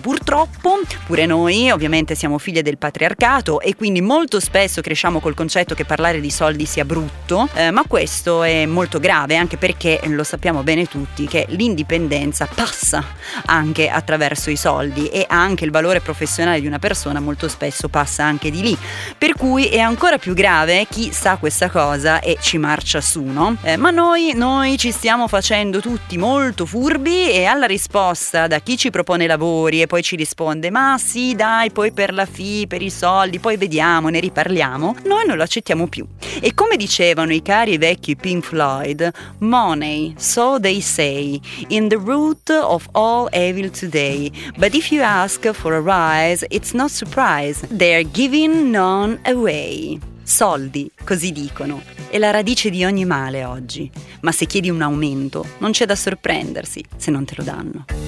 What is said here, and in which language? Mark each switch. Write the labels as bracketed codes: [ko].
[it] Purtroppo, pure noi ovviamente siamo figlie del patriarcato e quindi molto spesso cresciamo col concetto che parlare di soldi sia brutto, ma questo è molto grave, anche perché lo sappiamo bene tutti che l'indipendenza passa anche attraverso i soldi, e anche il valore professionale di una persona molto spesso passa anche di lì, per cui è ancora più grave chi sa questa cosa e ci marcia su, no? Ma noi ci stiamo facendo tutti molto furbi, e alla risposta da chi ci propone lavori e poi ci risponde ma sì dai, poi per la fee, per i soldi, poi vediamo, ne riparliamo, noi non lo accettiamo più. E come dicevano i cari vecchi Pink Floyd, [en] money, so they say, in the root of all evil today, but if you ask for a rise, it's not surprise, they're giving none away. [it] Soldi, così dicono, è la radice di ogni male oggi. Ma se chiedi un aumento, non c'è da sorprendersi se non te lo danno.